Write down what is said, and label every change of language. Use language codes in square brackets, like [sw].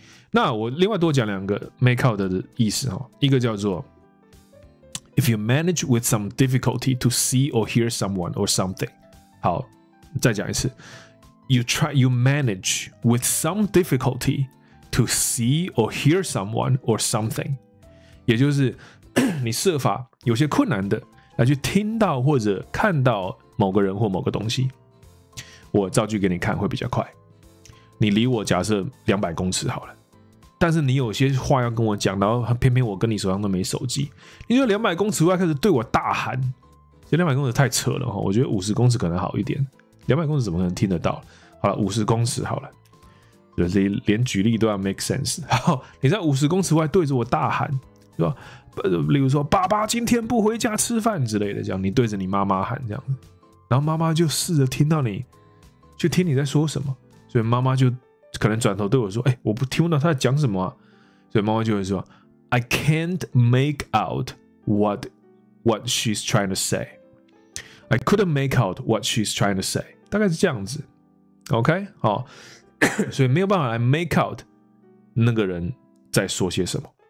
[zh] 那我另外多讲两个 make out 的意思，一个叫做 [en] If you manage with some difficulty to see or hear someone or something. [zh] 好，再讲一次。 [en] You manage with some difficulty to see or hear someone or something. [zh] 也就是你设法有些困难的来去听到或者看到某个人或某个东西。我造句给你看会比较快。你离我假设200公尺好了。但是你有些话要跟我讲，然后偏偏我跟你手上都没手机，你就200公尺外开始对我大喊，这200公尺太扯了，我觉得50公尺可能好一点，200公尺怎么可能听得到，好了50公尺好了，连举例都要 [en] make sense， [zh] 好，你在50公尺外对着我大喊，是吧？例如说爸爸今天不回家吃饭之类的，这样你对着你妈妈喊这样，然后妈妈就试着听到你去听你在说什么，所以妈妈就可能转头对我说：“哎、欸，我不听不到他在讲什么、啊。” 所以妈妈就会说 [en] ：“I can't make out what she's trying to say. I couldn't make out what she's trying to say.” [zh] 大概是这样子。OK， 好、哦，所以没有办法来 make out 那个人在说些什么。